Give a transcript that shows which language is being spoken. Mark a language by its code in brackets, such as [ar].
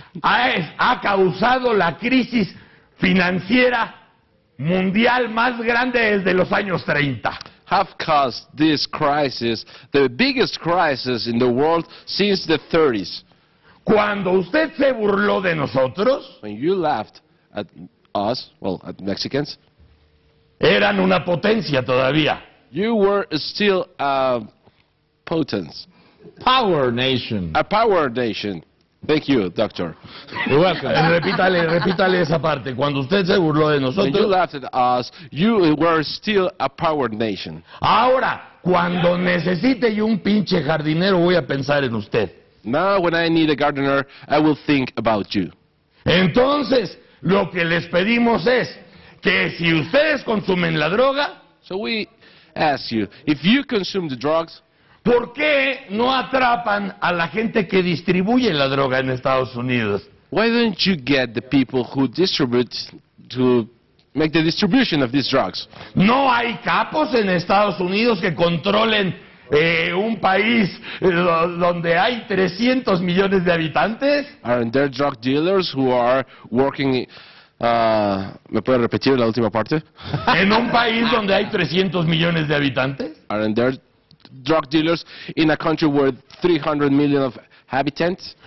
[es] Ha causado la crisis financiera mundial más grande desde los años 30. [en] Have caused this crisis, the biggest crisis in the world since the 30s. [es] Cuando usted se burló de nosotros, [en] when you laughed at us, well, at Mexicans, [es] eran una potencia todavía. [en] You were still a potence. Power nation. A power nation. Thank you, doctor. You're welcome. [es] Repítale, repítale esa parte. Cuando usted se burló de nosotros, [en] when you laughed at us, you were still a power nation. [es] Ahora, cuando necesite yo un pinche jardinero, voy a pensar en usted. [en] Now, when I need a gardener, I will think about you. [es] Entonces, lo que les pedimos es que si ustedes consumen la droga, [en] so we ask you, if you consume the drugs, [es] ¿por qué no atrapan a la gente que distribuye la droga en Estados Unidos? [en] Why don't you get the people who distribute to make the distribution of these drugs? [es] No hay capos en Estados Unidos que controlen un país donde hay 300 millones de habitantes. [en] Aren't there drug dealers who are working? [es] ¿Me puede repetir la última parte? En un país donde hay 300 millones de habitantes. [en] Aren't there drug dealers in a country where 300 million of habitants?